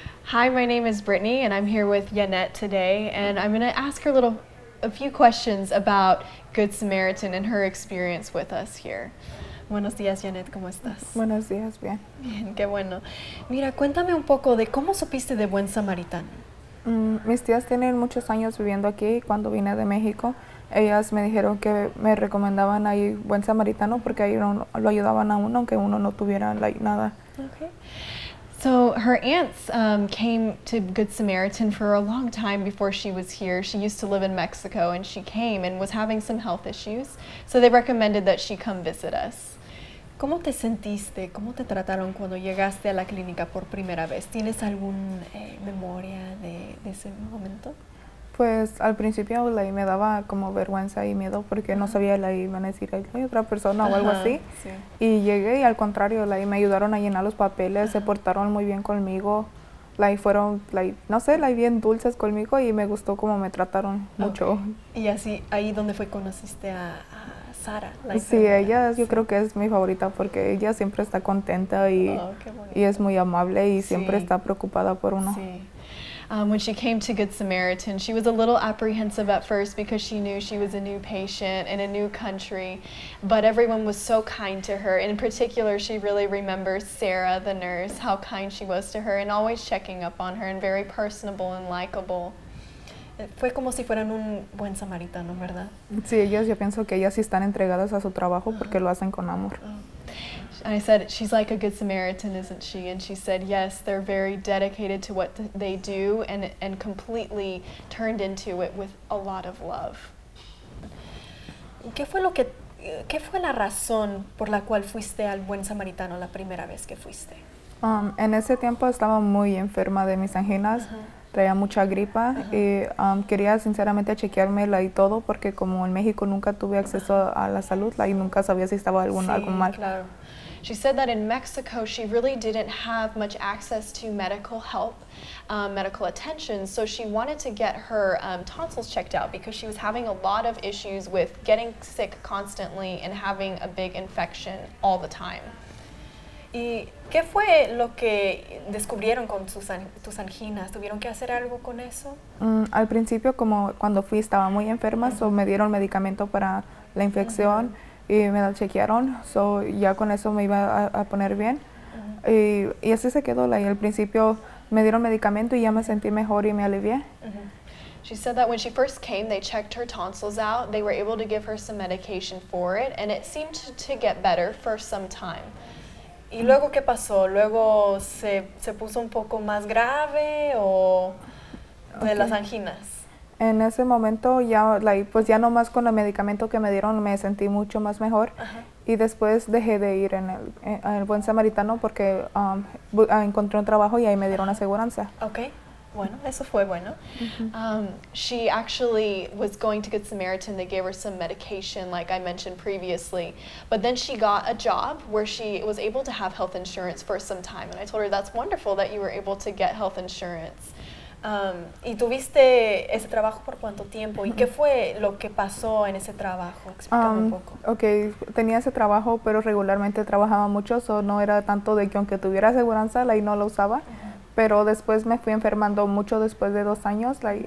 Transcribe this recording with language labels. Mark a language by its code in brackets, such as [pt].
[en] Hi, my name is Brittany, and I'm here with Yannette today, and I'm going to ask her a few questions about Good Samaritan and her experience with us here. [es] Buenos días, Yannette, ¿cómo estás? Buenos días, bien. Bien, qué bueno. Mira, cuéntame un poco de cómo supiste de Buen Samaritano. Mis tías tienen muchos años viviendo aquí. Cuando vine de México, ellas me dijeron que me recomendaban ahí Buen Samaritano porque ahí lo ayudaban a uno aunque uno no tuviera nada. Okay. [en] So her aunts came to Good Samaritan for a long time before she was here. She used to live in Mexico, and she came and was having some health issues. So they recommended that she come visit us. [es] ¿Cómo te sentiste? ¿Cómo te trataron cuando llegaste a la clínica por primera vez? ¿Tienes alguna memoria de ese momento? Pues al principio me daba como vergüenza y miedo porque no sabía la iban a decir, hay otra persona o algo así. Sí. Y llegué y al contrario, me ayudaron a llenar los papeles, se portaron muy bien conmigo, fueron, no sé, bien dulces conmigo y me gustó cómo me trataron mucho. Okay. Y así, ahí donde fue conociste a Sara, la enfermera. Sí, ella es, yo creo que es mi favorita porque ella siempre está contenta y es muy amable y siempre está preocupada por uno. [en] When she came to Good Samaritan, she was a little apprehensive at first because she knew she was a new patient in a new country, but everyone was so kind to her. In particular, she really remembers Sarah, the nurse, how kind she was to her and always checking up on her and very personable and likable. [es] Fue como si fueran un buen samaritano, ¿verdad? Sí, ellas, yo pienso que ellas sí están entregadas a su trabajo porque lo hacen con amor. [en] I said, she's like a good Samaritan, isn't she? And she said, yes, they're very dedicated to what they do and completely turned into it with a lot of love. [es] ¿Qué fue la razón por la cual fuiste al buen samaritano la primera vez que fuiste? En ese tiempo estaba muy enferma de mis anginas. Traía mucha gripa y quería sinceramente chequearme y todo porque como en México nunca tuve acceso a la salud y nunca sabía si estaba algo mal. Claro. [en] She said that in Mexico she really didn't have much access to medical help, medical attention, so she wanted to get her tonsils checked out because she was having a lot of issues with getting sick constantly and having a big infection all the time. [es] ¿Y qué fue lo que descubrieron con tus anginas? ¿Tuvieron que hacer algo con eso? Al principio, como cuando fui, estaba muy enferma, so me dieron medicamento para la infección y me la chequearon. So ya con eso me iba a poner bien. Y así se quedó. Al principio me dieron medicamento y ya me sentí mejor y me alivié. [en] She said that when she first came, they checked her tonsils out. They were able to give her some medication for it, and it seemed to get better for some time. [es] ¿Y luego qué pasó? ¿Luego se puso un poco más grave o de las anginas? En ese momento ya, pues ya nomás con el medicamento que me dieron me sentí mucho más mejor. Y después dejé de ir en el Buen Samaritano porque encontré un trabajo y ahí me dieron aseguranza. Okay. Bueno, eso fue bueno. [en] She actually was going to Good Samaritan. They gave her some medication, like I mentioned previously. But then she got a job where she was able to have health insurance for some time. And I told her, that's wonderful that you were able to get health insurance. [es] ¿Y tuviste ese trabajo por cuánto tiempo? ¿Y qué fue lo que pasó en ese trabajo? Explícame un poco. Ok, tenía ese trabajo, pero regularmente trabajaba mucho. So no era tanto de que aunque tuviera aseguranza, la no la usaba. Pero después me fui enfermando mucho después de 2 años.